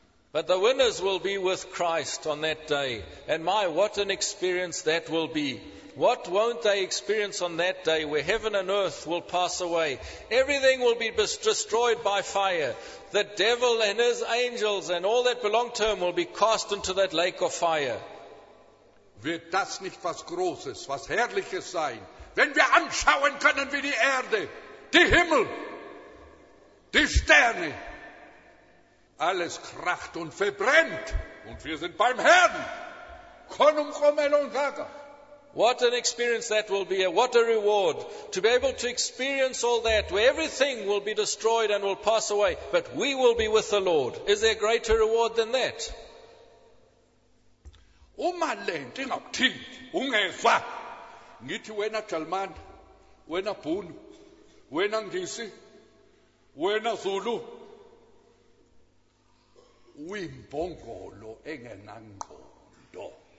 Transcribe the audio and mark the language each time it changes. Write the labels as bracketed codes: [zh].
[en] But the winners will be with Christ on that day. And my, what an experience that will be. What won't they experience on that day where heaven and earth will pass away? Everything will be destroyed by fire. The devil and his angels and all that belong to him will be cast into that lake of fire. [de] Wird das nicht was Großes, was Herrliches sein? Wenn wir anschauen können wie die Erde, die Himmel, die Sterne, alles kracht und verbrennt, und wir sind beim Herrn. Konum chomelon gaga. [en] What an experience that will be, what a reward, to be able to experience all that, where everything will be destroyed and will pass away, but we will be with the Lord. Is there a greater reward than that? [zu] Uma lenti ngakuthinti, ungezwa, ngithi wena Jalman, wena Bhunu, wena Ngisi, wena Zulu uyimpongolo engenangqondo.